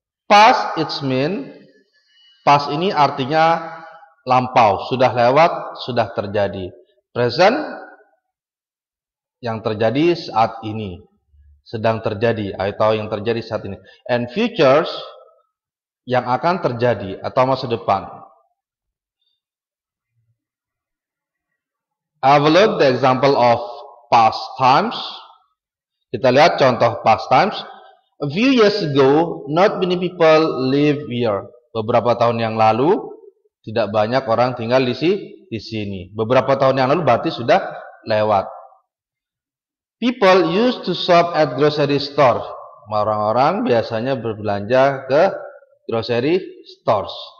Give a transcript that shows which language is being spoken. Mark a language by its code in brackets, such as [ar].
[en] Past it mean, [id] past ini artinya lampau, sudah lewat, sudah terjadi. Present yang terjadi saat ini, sedang terjadi atau yang terjadi saat ini. And futures yang akan terjadi atau masa depan. [en] Have a look the example of past times. [id] Kita lihat contoh past times. [en] A few years ago, not many people live here. [id] Beberapa tahun yang lalu, tidak banyak orang tinggal di sini. Beberapa tahun yang lalu berarti sudah lewat. [en] People used to shop at grocery store. [id] Orang-orang biasanya berbelanja ke grocery stores.